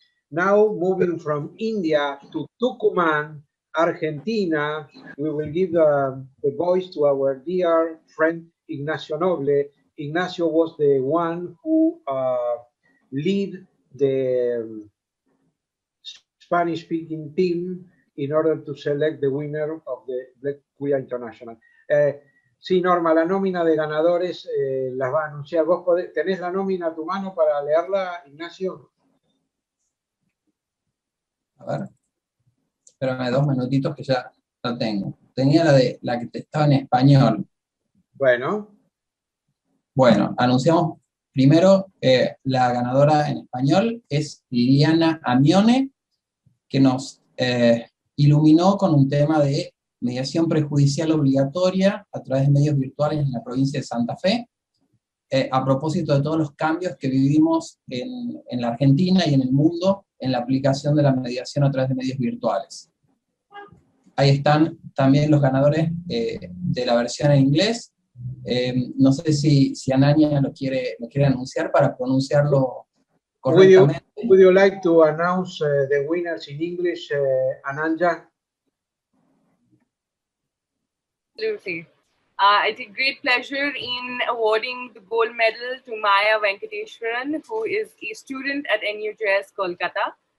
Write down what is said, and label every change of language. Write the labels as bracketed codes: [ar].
[en] Now, moving from India to Tucumán, Argentina, we will give the voice to our dear friend Ignacio Noble. Ignacio was the one who lead the Spanish-speaking team in order to select the winner of the Ex Curia International. [es] Sí, Norma, la nómina de ganadores las va a anunciar. ¿Vos podés, tenés la nómina a tu mano para leerla, Ignacio? A ver. Espérame dos minutitos que ya la tengo. Tenía la que estaba en español. Bueno. Bueno, anunciamos primero la ganadora en español es Liliana Amione, que nos iluminó con un tema de mediación prejudicial obligatoria a través de medios virtuales en la provincia de Santa Fe, a propósito de todos los cambios que vivimos en la Argentina y en el mundo en la aplicación de la mediación a través de medios virtuales. Ahí están también los ganadores de la versión en inglés. No sé si Ananya lo quiere anunciar para pronunciarlo correctamente. [en] Would you like to announce the winners in English, Ananya? Absolutely. It's a great pleasure in awarding the gold medal to Maya Venkateshwaran, who is a student at NUJS Kolkata.